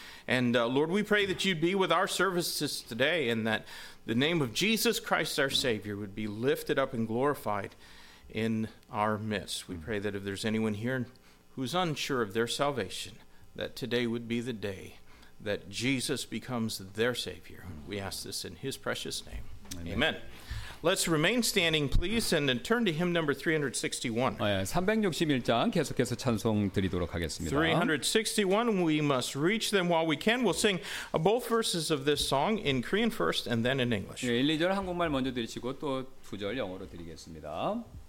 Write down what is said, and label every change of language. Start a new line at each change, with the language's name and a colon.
English: And Lord, we pray that you'd be with our services today and that the name of Jesus Christ, our Savior, would be lifted up and glorified in our midst. We pray that if there's anyone here who's unsure of their salvation, that today would be the day that Jesus becomes their Savior. We ask this in his precious name. Amen. Amen. Let's remain standing, please, and then turn to hymn number 361.
Korean: 361장 계속해서 찬송 드리도록 하겠습니다.
English: 361, we must reach them while we can. We'll sing both verses of this song in Korean first and then in English.
Korean: 1, 2절 한국말 먼저 드리시고 또 2절 영어로 드리겠습니다.